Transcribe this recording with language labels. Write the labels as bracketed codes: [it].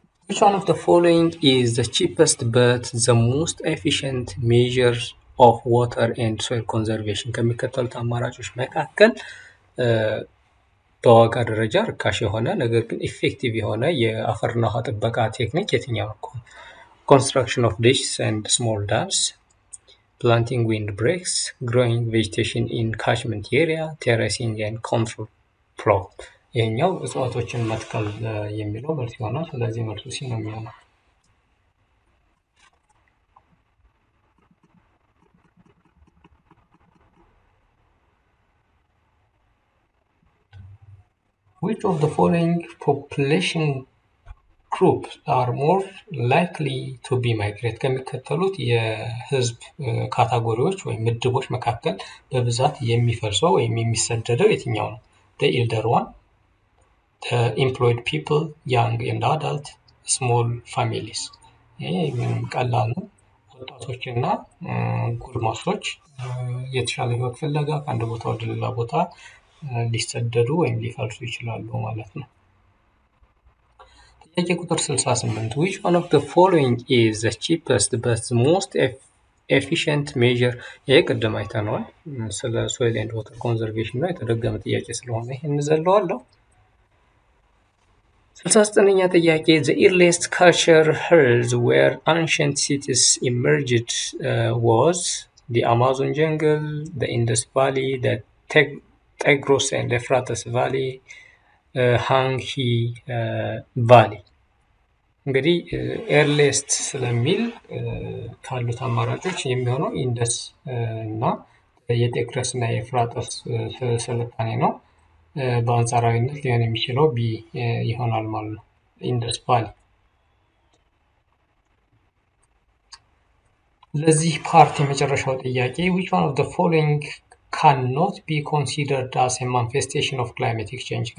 [en] Which one of the following is the cheapest but the most efficient measure of water and soil conservation? [am] ከሚከተሉት አማራጮች መካከል በዋጋ ደረጃ ርካሽ የሆነ ነገር ግን ኢፌክቲቭ የሆነ የአፈርና ውሃ ጥበቃ ቴክኒክ የትኛው ነው? [en] Construction of ditches and small dams, planting windbreaks, growing vegetation in catchment area, terracing and control plot. [am] የኛው እጽዋቶችን መትከል የሚለው መልስ ይሆናል። ስለዚህ መልሱ ሲ ነው የሚሆነው። [en] Which of the following population groups are more likely to be migrated? [am] ከሚከተሉት የህዝብ ካታጎሪዎች ወይም ምድቦች መካከል በብዛት የሚፈልሰው ወይም የሚሰደደው የትኛው ነው? [en] The elder one, the employed people, young and adult, small families. [am] ይሄ ቀላል ነው። ወጣቶችና ጉርማሶች የተሻለ ህይወት ፍለጋ ከአንድ ቦታ ወደ ሌላ ቦታ ሊሰደዱ ወይም ሊፈልሱ ይችላሉ ማለት ነው። ጥያቄ ቁጥር 68 [en] which one of the following is the cheapest but the most efficient measure? [am] ይሄ ቅድም አይተነዋል። ስለ soil and water conservation ነው የተደገመ ጥያቄ ስለሆነ ይሄን ዘለዋለሁ። 69ኛ ጥያቄ [en] the earliest culture hills where ancient cities emerged was the Amazon jungle, the Indus valley, the Tigris and Euphrates valley, Hangi valley. [am] እንግዲህ earliest ስለሚል ካሉት አማራጮች የሚሆነው Indus እና የTigris እና Euphrates ስልጣኔ ነው። በአንጻራዊነት ሊሆን የሚችለው ቢ ይሆናል ማለት ነው። ኢንደስ ቫሊ ለዚህ ፓርት የመጨረሻው ጥያቄ [en] which one of the following cannot be considered as a manifestation of climate change?